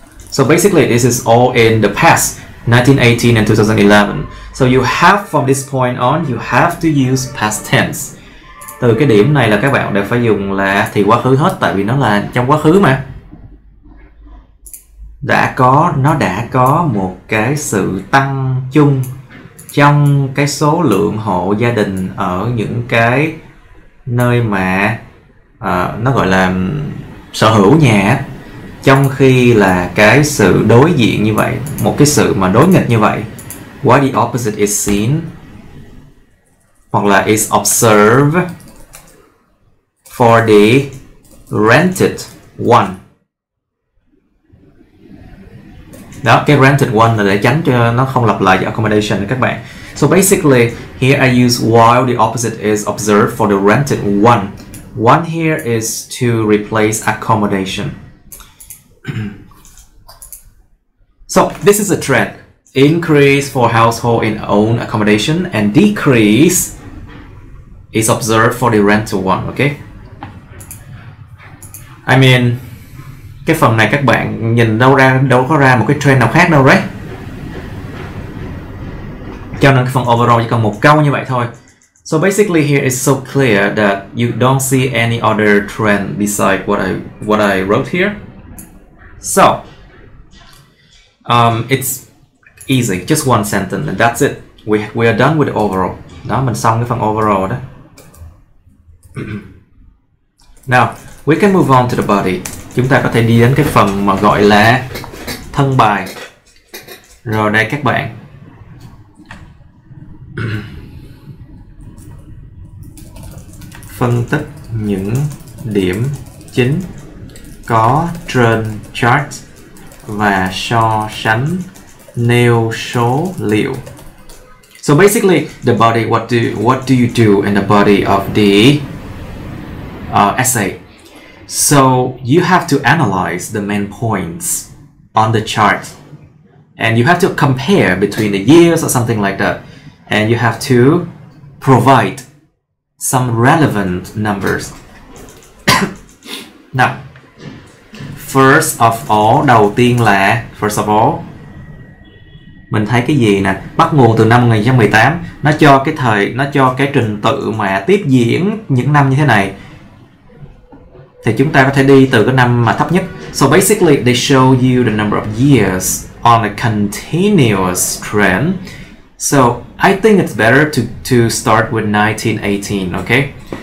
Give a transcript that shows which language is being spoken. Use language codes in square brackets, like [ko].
[en] So basically, this is all in the past, 1918 and 2011. So you have, from this point on, you have to use past tense. [vi] Từ cái điểm này là các bạn đều phải dùng là thì quá khứ hết, tại vì nó là trong quá khứ mà. Nó đã có một cái sự tăng chung trong cái số lượng hộ gia đình ở những cái nơi mà nó gọi là sở hữu nhà. Trong khi là cái sự đối diện như vậy, một cái sự mà đối nghịch như vậy, [en] why the opposite is seen, [vi] hoặc là [en] is observed for the rented one. [vi] Đó, cái rented one là để tránh cho nó không lặp lại accommodation các bạn. [en] So basically, here I use while the opposite is observed for the rented one. One here is to replace accommodation. So this is a trend: increase for household in own accommodation and decrease is observed for the rental one. Okay. I mean, [vi] cái phần này các bạn nhìn đâu có ra một cái trend nào khác đâu, right? Cho nên cái phần overall chỉ còn một câu như vậy thôi. [en] So basically, here it's so clear that you don't see any other trend besides what I wrote here. So, it's easy, just one sentence, and that's it. We are done with overall. [vi] Đó, mình xong cái phần overall đó. [en] Now, we can move on to the body. [vi] Chúng ta có thể đi đến cái phần mà gọi là thân bài. Rồi đây các bạn. Phân tích những điểm chính có trên chart và so sánh nêu số liệu. [en] So basically, the body, what do you do in the body of the essay? So you have to analyze the main points on the chart, and you have to compare between the years or something like that, and you have to provide some relevant numbers. Now, First of all, [vi] mình thấy cái gì nè, bắt nguồn từ năm 2018, nó cho cái trình tự mà tiếp diễn những năm như thế này, thì chúng ta có thể đi từ cái năm mà thấp nhất. [en] So basically, they show you the number of years on a continuous trend. So I think it's better to start with 1918, okay?